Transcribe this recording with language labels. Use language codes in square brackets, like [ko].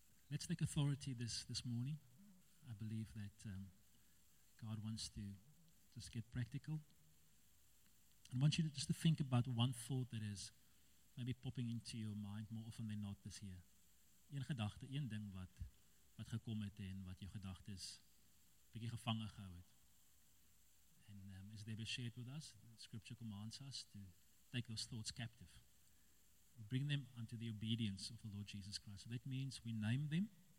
[en] Let's take authority this morning. I believe that God wants to just get practical. I want you to just to think about one thought that is maybe popping into your mind more often than not this year. [af] Een gedachte, een ding wat gekom het en wat jou gedagte is, bietjie gevange gehou het. [en] And as they've shared with us, the scripture commands us to take those thoughts captive. Bring them unto the obedience of the Lord Jesus Christ. So that means we name them.